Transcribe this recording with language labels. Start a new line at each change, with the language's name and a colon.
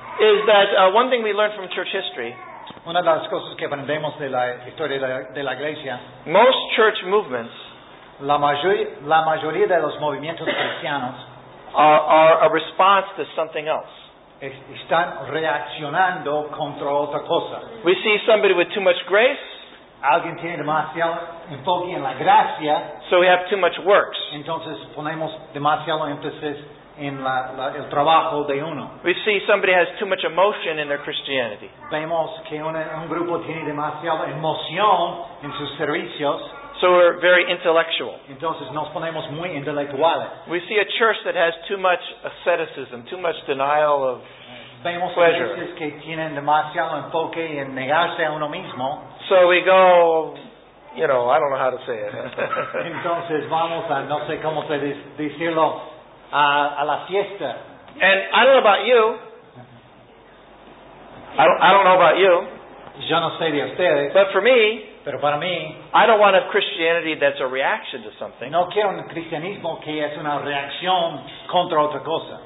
English: is that one thing we learned from church history.
Spanish: Una de las cosas que aprendemos de la historia de la iglesia.
English: Most church movements,
Spanish: la mayoría de los movimientos cristianos,
English: are a response to something else.
Spanish: Están reaccionando contra otra cosa.
English: We see somebody with too much grace.
Spanish: Alguien tiene demasiado enfoque en la gracia.
English: So we have too much works.
Spanish: Entonces ponemos demasiado énfasis en el trabajo de uno.
English: We see somebody has too much emotion in their Christianity.
Spanish: Vemos que un grupo tiene demasiada emoción en sus servicios.
English: So we're very intellectual.
Spanish: Entonces nos ponemos muy intelectuales.
English: We see a church that has too much asceticism, too much denial of
Spanish: vemos
English: pleasure.
Spanish: Vemos iglesias que tienen demasiado enfoque en negarse a uno mismo.
English: So we go, you know, I don't know how to say it.
Spanish: Entonces vamos a, no sé cómo se decirlo, a la fiesta.
English: And I don't know about you. I don't know about you.
Spanish: Yo no sé de ustedes.
English: But for me,
Spanish: pero para mí,
English: I don't want a Christianity that's a reaction to something.
Spanish: No quiero un cristianismo que es una reacción contra otra cosa.